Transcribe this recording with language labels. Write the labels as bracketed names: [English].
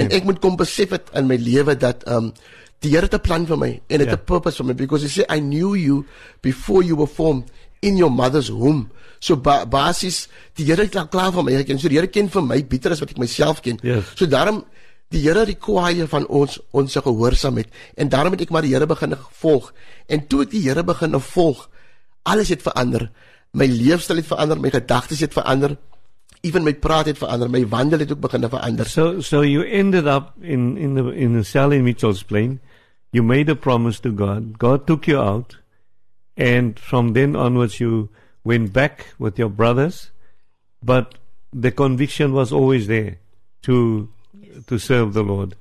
[Afrikaans] And ek moet kom besef het in my lewe dat die Here het 'n plan vir my en het 'n purpose vir my, [English] because he said, I knew you before you were formed in your mother's womb. [Afrikaans] So basis, die Here het klaar vir my geken. So die Here ken vir my beter as wat ek myself ken. [English] Yes. [Afrikaans] So daarom, die Here require van ons onsse gehoorsaamheid. En daarom het ek maar die Here begin volg. En toe ek die Here begin volg, alles het verander. My leefstyl het verander, my gedagtes het verander. Even my praat het verander, my wandel het ook begin verander. [English] So you ended up in the cell in Mitchell's Plain. You made a promise to God. God took you out. And from then onwards, you went back with your brothers. But the conviction was always there to serve the Lord.